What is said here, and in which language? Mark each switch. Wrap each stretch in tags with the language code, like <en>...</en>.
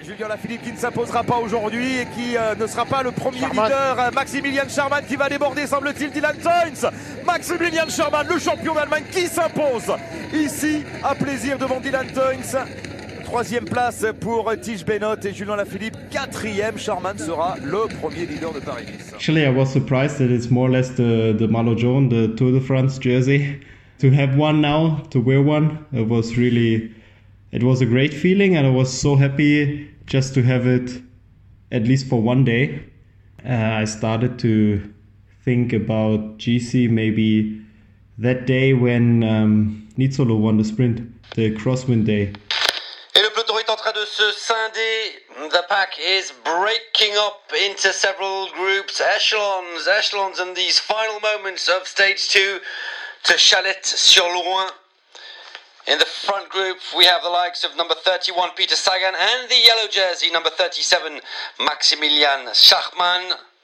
<fr>Julien Lafilippe qui ne s'imposera pas aujourd'hui et qui ne sera pas le premier Charman. Leader. Maximilian Schachmann qui va déborder, semble-t-il, Dylan Teuns. Maximilian Schachmann, le champion d'Allemagne qui s'impose ici à plaisir devant Dylan Teuns. Troisième place pour Tijs Benoot et Julien Lafilippe. Quatrième, Schachmann sera le premier leader de Paris.</fr> <en>Actually, I was surprised that it's more or less the Malo Jaune, the Tour de France jersey. To have one now, to wear one, it was really... It was a great feeling and I was so happy just to have it at least for one day. I started to think about GC maybe that day when Nizzolo won the sprint, the crosswind day.</en> <fr>Et le peloton est en train de se scinder.</fr> <en>The pack is breaking up into several groups, echelons in these final moments of stage 2 to Chalette-sur-Loing. In the front group, we have the likes of number 31, Peter Sagan, and the yellow jersey, number 37, Maximilian Schachmann.</en>